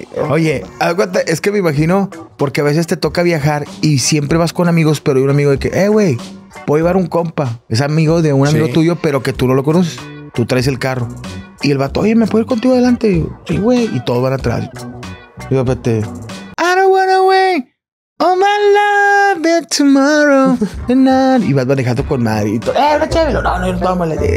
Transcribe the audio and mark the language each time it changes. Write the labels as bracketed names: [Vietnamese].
[Spanish] Oye, aguanta, es que me imagino, porque a veces te toca viajar y siempre vas con amigos, pero hay un amigo de que, güey, voy a llevar un compa. Es amigo de un amigo, sí, tuyo, pero que tú no lo conoces. Tú traes el carro. Y el vato, oye, ¿me puedo ir contigo adelante? Yo, sí, güey. Y todos van atrás. Yo, espérate. [English] I don't wanna wait all my love till tomorrow. [Spanish] Y vas manejando con madre. Y todo, no, chévere. No, no, tómale.